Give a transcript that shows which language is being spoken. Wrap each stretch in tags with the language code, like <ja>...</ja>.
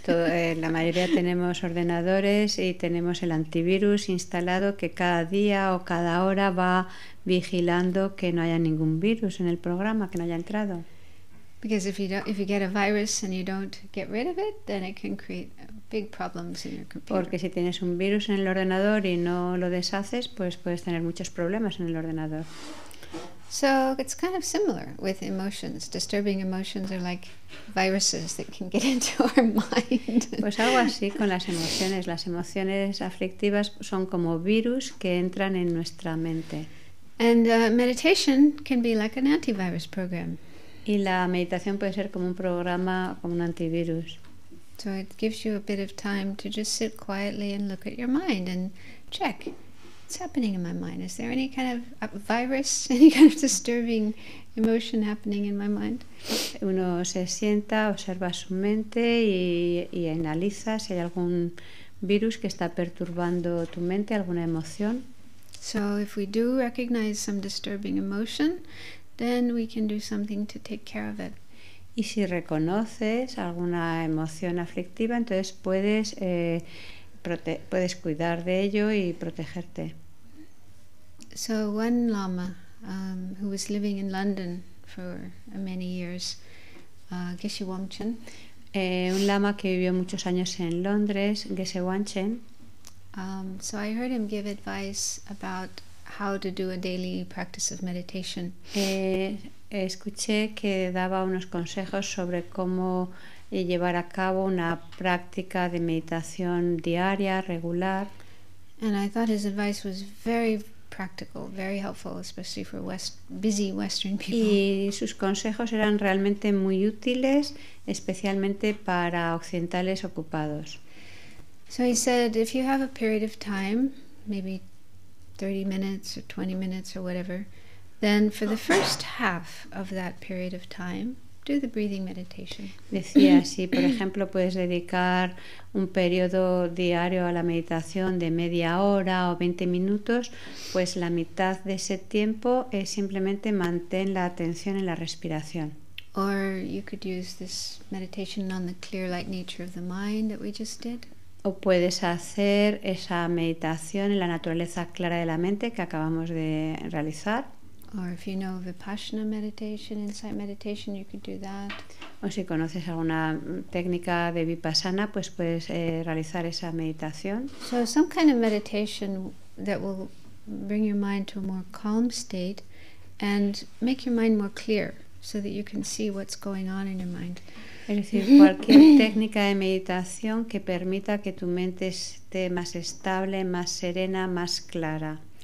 <es>La mayoría tenemos ordenadores y tenemos el antivirus instalado que cada día o cada hora va vigilando que no haya ningún virus en el programa, que no haya entrado.</es> <en>Because if you get a virus and you don't get rid of it, then it can create big problems in your computer.</en> <es>Porque si tienes un virus en el ordenador y no lo deshaces, pues puedes tener muchos problemas en el ordenador.</es> <en>So it's kind of similar with emotions. Disturbing emotions are like viruses that can get into our mind.</en> <es>Pues algo así con las emociones. Las emociones aflictivas son como virus que entran en nuestra mente.</es> <en>And meditation can be like an antivirus program.</en> <es>Y la meditación puede ser como un programa, como un antivirus.</es> <en>So it gives you a bit of time to just sit quietly and look at your mind and check. What's happening in my mind? Is there any kind of virus, any kind of disturbing emotion happening in my mind?</en> <es>Uno se sienta, observa su mente y analiza si hay algún virus que está perturbando tu mente, alguna emoción.</es> <en>So if we do recognize some disturbing emotion, then we can do something to take care of it.</en> <es>Y si reconoces alguna emoción aflictiva, entonces puedes cuidar de ello y protegerte.</es> <en>So one lama who was living in London for many years, Geshe Wangchen.</en> <es>Un lama que vivió muchos años en Londres, Geshe Wangchen.</es> <en>So I heard him give advice about how to do a daily practice of meditation.</en> <es>Escuché que daba unos consejos sobre cómo llevar a cabo una práctica de meditación diaria, regular.</es> <en>And I thought his advice was very practical, very helpful, especially for busy Western people.</en> <es>Y sus consejos eran realmente muy útiles, especialmente para occidentales ocupados.</es> <en>So he said, if you have a period of time, maybe 30 minutes or 20 minutes or whatever, then for the first half of that period of time, do the breathing meditation.</en> <es>Decía, si por ejemplo puedes dedicar un periodo diario a la meditación de media hora o 20 minutos, pues la mitad de ese tiempo es simplemente mantén la atención en la respiración.</es> <en>Or you could use this meditation on the clear light nature of the mind that we just did.</en> <es>O puedes hacer esa meditación en la naturaleza clara de la mente que acabamos de realizar.</es> <en>Or if you know Vipassana meditation, insight meditation, you could do that.</en> <es>O si conoces alguna técnica de Vipassana, pues puedes realizar esa meditación.</es> <en>So some kind of meditation that will bring your mind to a more calm state and make your mind more clear so that you can see what's going on in your mind.</en> <es>Es decir, cualquier técnica de meditación que permita que tu mente esté más estable, más serena, más clara.</es>